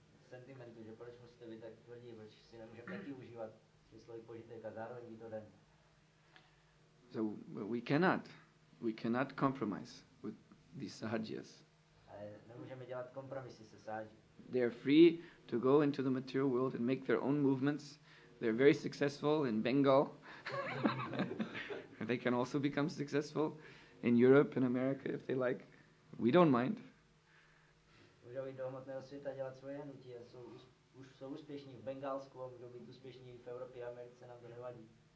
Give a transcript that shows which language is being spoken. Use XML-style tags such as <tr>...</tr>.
<cs>Sentimentu, že proč musíte být tak tvrdí, proč si nemůžeme taky užívat smyslový požitek a zároveň být oden.</cs> <en>So we cannot compromise with these sahajyas.</en> <cs>Ale nemůžeme dělat kompromisy se sahajy.</cs> <en>They are free to go into the material world and make their own movements. They are very successful in Bengal. They can also become successful in Europe and America if they like. We don't mind.</en> <cs>Můžou jít do hmotného světa dělat svoje hnutí a jsou úspěšní v Bengálsku a můžou být úspěšní v Evropě a Americe, nám to nevadí.</cs>